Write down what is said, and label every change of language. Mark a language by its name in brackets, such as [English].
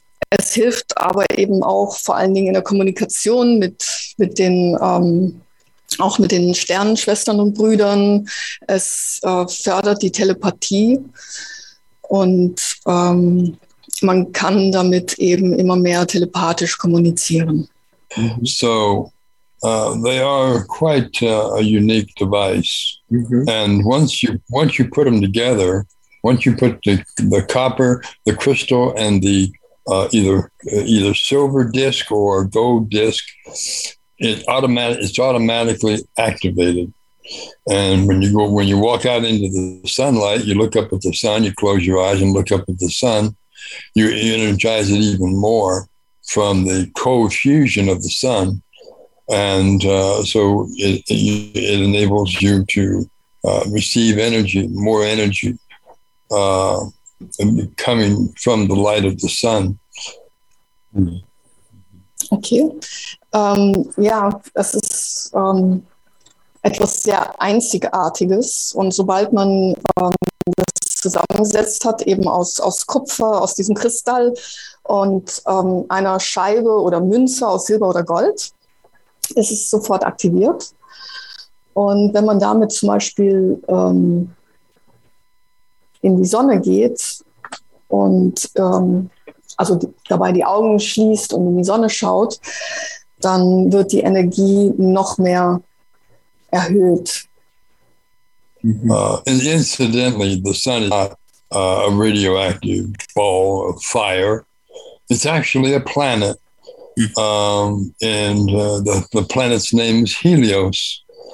[German] Es hilft aber eben auch vor allen Dingen in der Kommunikation mit den auch mit den Sternenschwestern und Brüdern. Es fördert die Telepathie und man kann damit eben immer mehr telepathisch kommunizieren. [English] So, they are quite a unique device. Mm-hmm. And once you put them together, once you put the copper, the crystal, and the either silver disc or gold disc, it's automatically activated. And when you walk out into the sunlight, you look up at the sun. You close your eyes and look up at the sun. You energize it even more from the co-fusion of the sun. And so it enables you to receive energy, more energy coming from the light of the sun. Okay. [German] Das ist etwas sehr Einzigartiges. Und sobald man das zusammengesetzt hat, eben aus Kupfer, aus diesem Kristall und einer Scheibe oder Münze aus Silber oder Gold, ist es sofort aktiviert. Und wenn man damit zum Beispiel in die Sonne geht und also dabei die Augen schließt und in die Sonne schaut, dann wird die Energie noch mehr erhöht. [English] And incidentally, the sun is not a radioactive ball of fire. It's actually a planet. And the planet's name is Helios.